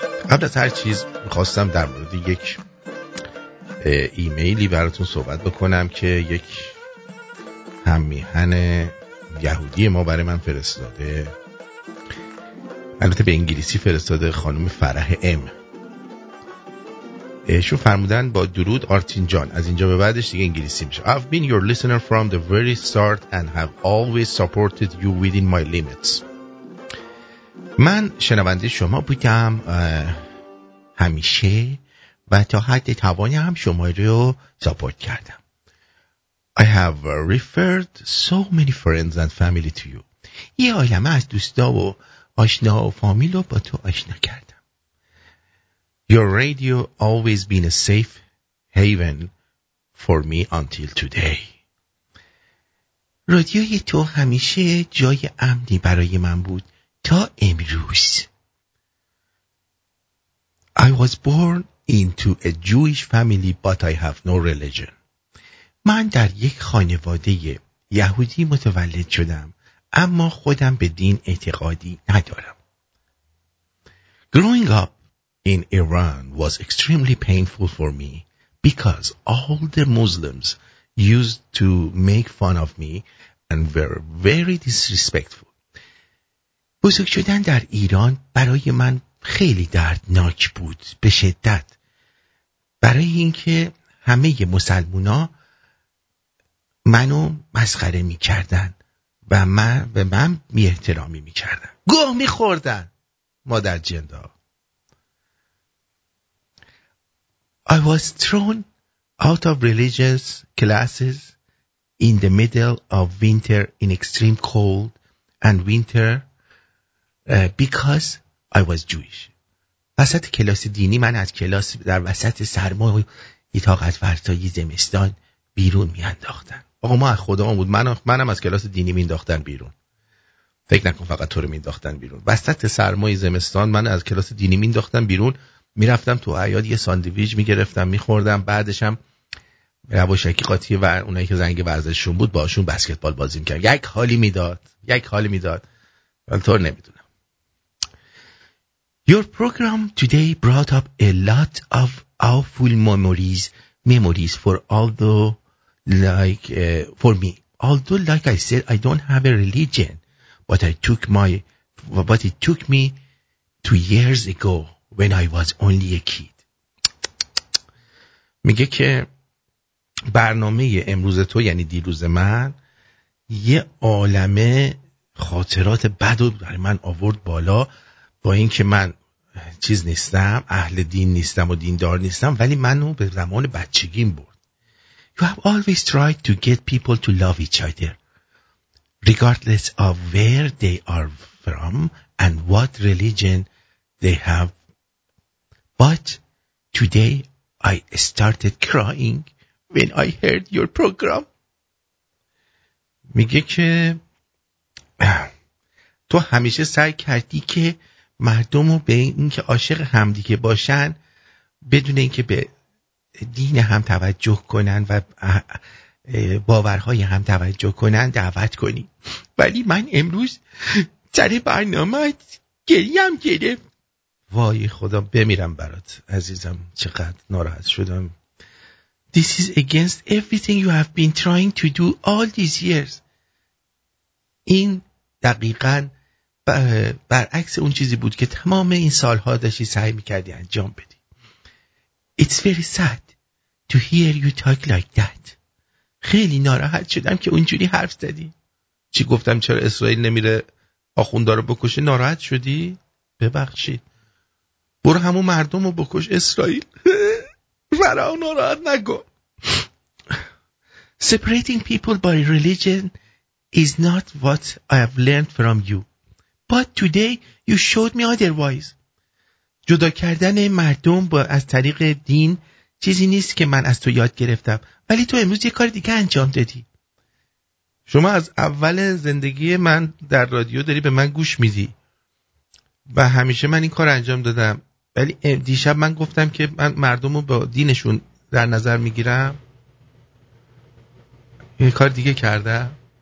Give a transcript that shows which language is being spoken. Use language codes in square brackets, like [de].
[fa] قبل از هر چیز میخواستم در مورد یک ایمیلی براتون صحبت بکنم که یک هممیهن یهودی ما برای من فرستاده، البته به انگلیسی فرستاده، خانم فرح ام. ایشون فرمودن با درود آرتین جان، از اینجا به بعدش دیگه انگلیسی میشه. [en] I've been your listener from the very start and have always supported you within my limits. [fa] من شنونده شما بودم همیشه و تا حد توانی هم شما رو ساپورت کردم. [en] I have referred so many friends and family to you. [fa] یه عالمه از دوستا و آشنا و فامیل رو با تو آشنا کردم. [en] Your radio always been a safe haven for me until today. [fa] رادیوی تو همیشه جای امنی برای من بود تا امروز. [en] I was born into a Jewish family but I have no religion. [fa] من در یک خانواده یهودی متولد شدم اما خودم به دین اعتقادی ندارم. [en] Growing up in Iran was extremely painful for me because all the Muslims used to make fun of me and were very disrespectful. [fa] بزرگ شدن در ایران برای من خیلی دردناک بود، به شدت، برای اینکه همه مسلمونا منو مسخره می‌کردن و من به من بی‌احترامی می‌کردن، گوه می‌خوردن. مادر جندا، [en] I was thrown out of religious classes in the middle of winter in extreme cold and winter because I was Jewish. [fa] وسط کلاس دینی من از کلاس در وسط سرما و طاقت فرسای زمستان بیرون میانداختن. آقا ما از خودمون بود، منم از کلاس دینی مینداختن بیرون. فکر نکن فقط تو رو مینداختن بیرون. وسط سرمای زمستان من از کلاس دینی مینداختن بیرون. میرفتم تو عیاد یه ساندویج میگرفتم میخوردم، بعدش هم یواشکی قاطی و اونایی که زنگ ورزششون بود باشون بسکتبال بازی میکردم. یک حالی میداد. ولی طور نمیدونم. [en] Your program today brought up a lot of awful memories for although I said I don't have a religion but it took me 2 years ago when I was only a kid. [fa] میگه که برنامه امروز تو، یعنی دیروز من، یه عالمه خاطرات بد رو برای من آورد بالا. با اینکه من چیز نیستم، اهل دین نیستم و دیندار نیستم، ولی منو به زمان بچگیم برد. [en] You have always tried to get people to love each other regardless of where they are from and what religion they have. But today I started crying when I heard your program. [fa] میگه که تو همیشه سعی کردی که مردم رو به اینکه عاشق همدیگه باشن بدون اینکه به دین هم توجه کنن و باورهای هم توجه کنن دعوت کنی. ولی من امروز سر برنامه گریم گرفت. وای خدا بمیرم برات عزیزم، چقدر ناراحت شدم. [en] This is against everything you have been trying to do all these years. [fa] این دقیقاً برعکس اون چیزی بود که تمام این سالها داشتی سعی میکردی انجام بدی. [en] It's very sad to hear you talk like that. [fa] خیلی ناراحت شدم که اونجوری حرف زدی. چی گفتم چرا اسرائیل نمیره آخوندا رو بکشه؟ ناراحت شدی؟ ببخشید. برو همون مردم رو بکش اسرائیل. برا اون ناراحت نکن. [en] Separating people by religion is not what I have learned from you. But today you showed me otherwise. [fa] جدا کردن مردم با از طریق دین چیزی نیست که من از تو یاد گرفتم، ولی تو امروز یه کار دیگه انجام دادی. شما از اول زندگی من در رادیو داری به من گوش میدی و همیشه من این کار انجام دادم، ولی دیشب من گفتم که من مردم رو با دینشون در نظر میگیرم، یه کار دیگه کردم.